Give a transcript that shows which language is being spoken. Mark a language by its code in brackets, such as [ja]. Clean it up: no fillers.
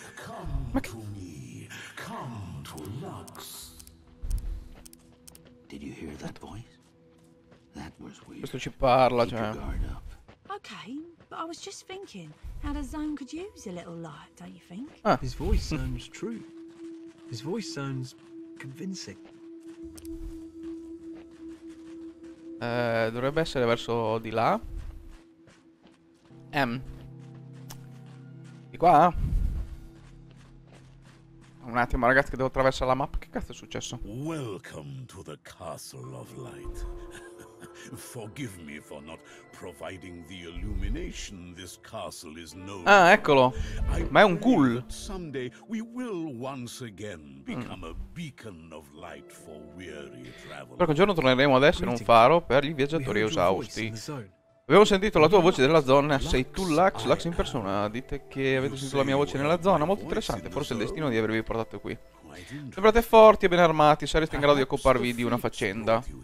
[en] Come to me. Come to Lux. Did you hear that voice? That was weird. [it] Questo ci parla, cioè. [en] Okay, but I was just thinking how the zone could use a little light, don't you think? Ah. His voice sounds true. His voice sounds convincing. [it] Dovrebbe essere verso di là. Di qua. Un attimo ragazzi, che devo attraversare la map. Che cazzo è successo? [en] Welcome to the Castle of Light. Forgive me for not providing the illumination this castle is known. [it] Ah, eccolo. Ma è un ghoul. [en] Someday we will once again become a beacon of light for weary travelers. [it] Un giorno torneremo ad essere un faro per gli viaggiatori esausti. Abbiamo sentito la tua voce nella zona. Sei tu Lux, Lux in persona. Dite che avete sentito la mia voce nella zona. Molto interessante, forse è il destino di avervi portato qui. Sembrate forti e ben armati, sareste in grado di occuparvi di una faccenda.